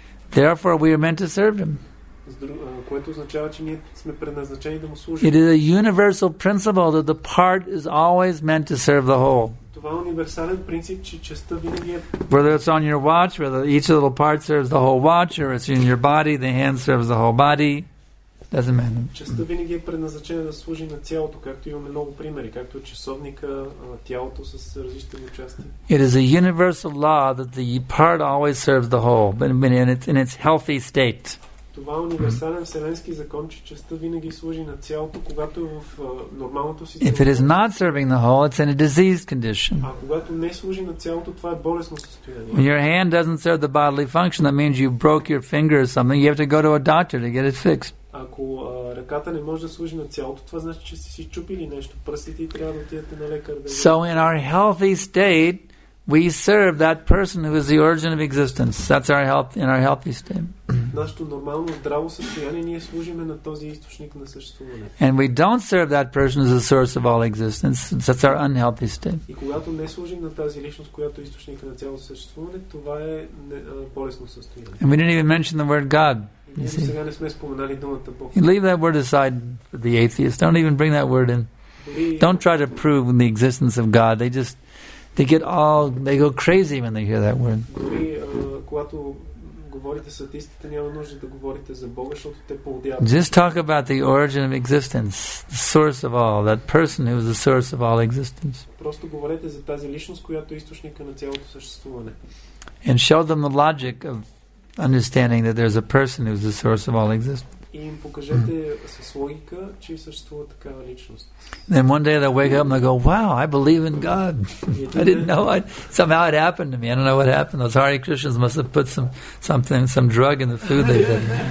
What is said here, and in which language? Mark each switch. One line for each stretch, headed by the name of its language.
English: Therefore, we are meant to serve him. It is a universal principle that the part is always meant to serve the whole. Whether it's on your watch, whether each little part serves the whole watch, or it's in your body, the hand serves the whole body, doesn't matter.
Bulgarian: Частта винаги е предназначена да служи на цялото, както имаме много примери, както часовника, тялото с различни части.
English: It is a universal law that the part always serves the whole, but in its healthy state.
Bulgarian: Това е универсален вселенски закон, че частта винаги служи на цялото, когато е в нормалното си.
English: If it is not serving the whole, it's in a diseased condition.
Bulgarian: А когато не служи на цялото, това е болестно състояние.
English: When your hand doesn't serve the bodily function, that means you broke your finger or something. You have to go to a doctor to get it fixed.
Bulgarian: Ако ръката не може да служи на цялото, това значи, че си чупили нещо. Пръстите и трябва да отидете на лекар.
English: So in our healthy state, we serve that person who is the origin of existence. That's our health in our healthy state. And we don't serve that person as the source of all existence. That's our unhealthy state. And we didn't even mention the word God. You leave that word aside for the atheists. Don't even bring that word in. Don't try to prove the existence of God. They go crazy when they hear that word.
Bulgarian: Когато говорите с атеистите, няма нужда да говорите за Бога, защото те поводяват.
English: Just talk about the origin of existence, the source of all, that person who is the source of all existence.
Bulgarian: Просто говорете за тази личност, която е източника на цялото съществуване.
English: And show them the logic of understanding that there's a person who is the source of all existence.
Bulgarian: И им покажете с логика, че съществува такава личност.
English: Then one day they wake up and they go, wow, I believe in God. I didn't know. Somehow it happened to me. I don't know what happened. Those Hare Krishnas must have put some drug in the food they did.